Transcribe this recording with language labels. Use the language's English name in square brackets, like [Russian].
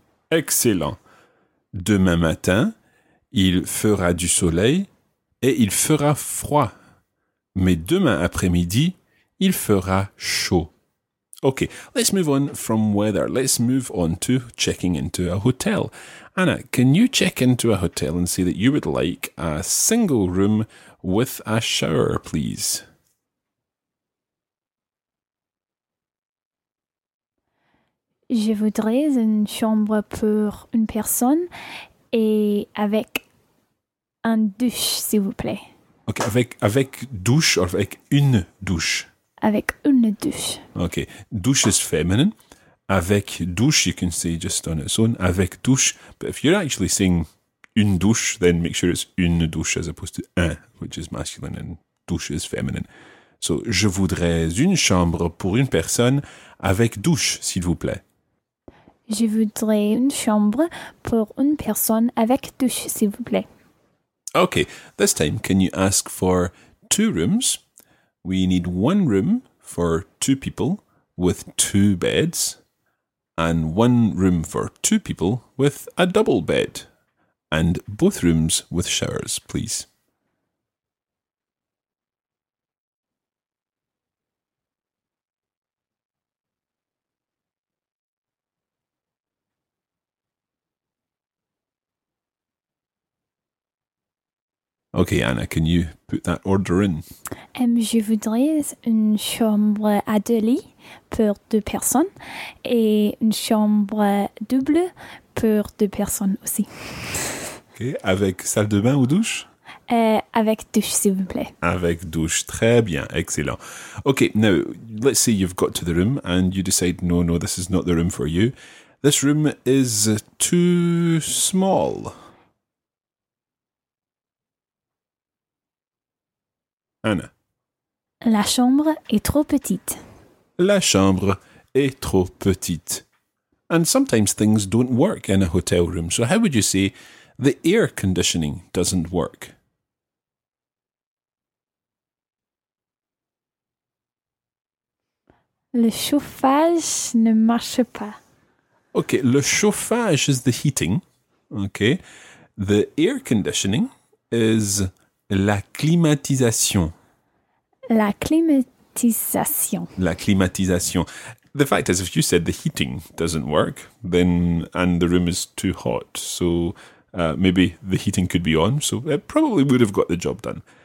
[French] Excellent. Demain matin, il fera du soleil et il fera froid, mais demain après-midi, il fera chaud. [English] Okay, let's move on from weather. Let's move on to checking into a hotel. Anna, can you check into a hotel and say that you would like a single room with a shower, please? [French] Je voudrais une chambre pour une personne et avec un douche, s'il vous plaît. Okay, avec douche or avec une douche? Avec une douche. [English] Okay, douche is feminine. Avec douche, you can say just on its own, [French] avec douche. [English] But if you're actually saying une douche, then make sure it's une douche as opposed to un, which is masculine and douche is feminine. [French] So, je voudrais une chambre pour une personne avec douche, s'il vous plaît. Je voudrais une chambre pour une personne avec douche, s'il vous plaît. [English] Okay, this time, can you ask for two rooms? We need one room for two people with two beds and one room for two people with a double bed and both rooms with showers, please. Okay, Anna, can you put that order in? [French] Je voudrais une chambre à deux lits pour deux personnes et une chambre double pour deux personnes aussi. Okay, avec salle de bain ou douche? Avec douche, s'il vous plaît. Avec douche, très bien, excellent. [English] Okay, now, let's say you've got to the room and you decide, no, this is not the room for you. This room is too small. Anna. [French] La chambre est trop petite. La chambre est trop petite. [English] And sometimes things don't work in a hotel room. So how would you say the air conditioning doesn't work? [French] Le chauffage ne marche pas. [English] Okay, le chauffage is the heating. Okay. The air conditioning is la climatisation. [French] La climatisation. La climatisation. [English] The fact is, if you said the heating doesn't work, then and the room is too hot, so maybe the heating could be on, so it probably would have got the job done.